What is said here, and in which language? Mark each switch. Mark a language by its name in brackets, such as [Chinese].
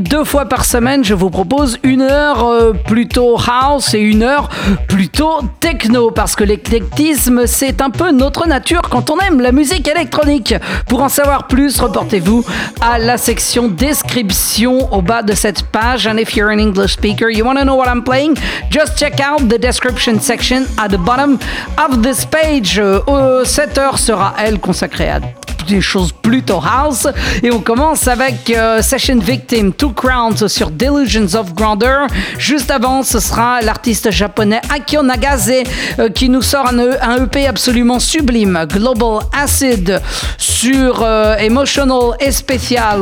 [French] Deux fois par semaine, je vous propose une heure plutôt house et une heure plutôt techno, parce que l'éclectisme, c'est un peu notre nature quand on aime la musique électronique. Pour en savoir plus, reportez-vous à la section description au bas de cette page. [English] And if you're an English speaker, you want to know what I'm playing, just check out the description section at the bottom of this page. [French] Cette heure sera, elle, consacrée à des choses plutôt house, et on commence avec Session Victim, Two Crowns sur Delusions of Grandeur. Juste avant, ce sera l'artiste japonais AKIO NAGASE qui nous sort un EP absolument sublime, Global Acid sur Emotional Especial.